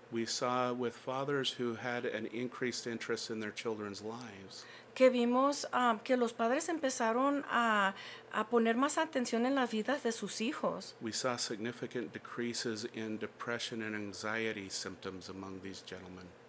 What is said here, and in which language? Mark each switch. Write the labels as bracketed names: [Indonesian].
[English] We saw with fathers who had an increased interest in their children's lives. [Spanish] Que vimos que los padres empezaron a poner más atención en las vidas de sus hijos. [English] We saw significant decreases in depression and anxiety symptoms among these gentlemen.